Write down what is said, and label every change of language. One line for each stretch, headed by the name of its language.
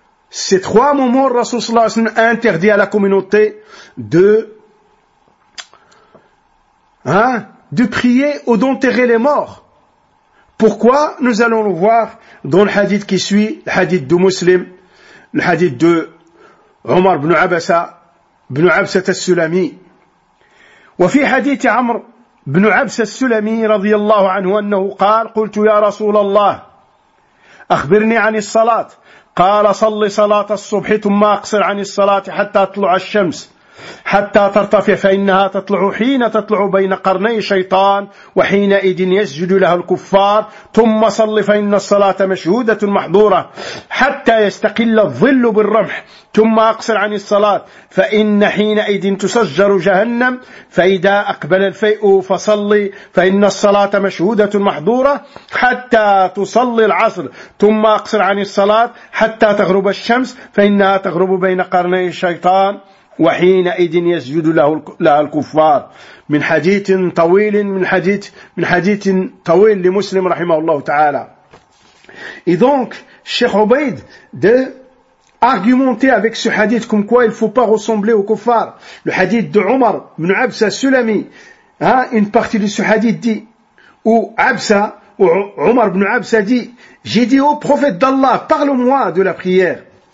French: Ces trois moments, Rasoul
Arabic: sallallahu alayhi wa sallam
French: a interdit à la communauté de prier ou d'enterrer les morts. Pourquoi? Nous allons le voir dans le hadith qui suit, le hadith de Muslim, le hadith de Omar ibn Abasa, ibn Abasa al-Sulami.
Arabic: وفي حديث عمرو بن عبسة السلمي رضي الله عنه أنه قال قلت يا رسول الله أخبرني عن الصلاة قال صلي صلاة الصبح ثم أقصر عن الصلاة حتى تطلع الشمس حتى ترتفع فإنها تطلع حين تطلع بين قرني شيطان وحينئذ يسجد لها الكفار ثم صلي فإن الصلاة مشهودة محضورة حتى يستقل الظل بالرمح ثم أقصر عن الصلاة فإن حينئذ تسجر جهنم فإذا أقبل الفيء فصلي فإن الصلاة مشهودة محضورة حتى تصلي العصر ثم أقصر عن الصلاة حتى تغرب الشمس فإنها تغرب بين قرني شيطان وحينئذ يسجد له الكفار من حديث طويل من حديث طويل لمسلم رحمه الله تعالى.
French: Et donc, Cheikh Obeid de argumenter avec ce hadith comme quoi il ne faut pas ressembler aux kuffars. Le hadith de Omar ibn Abasa Sulami, une partie de ce hadith dit, où Abasa, ou Omar ibn Abasa dit, j'ai dit au prophète d'Allah, parle-moi de la prière.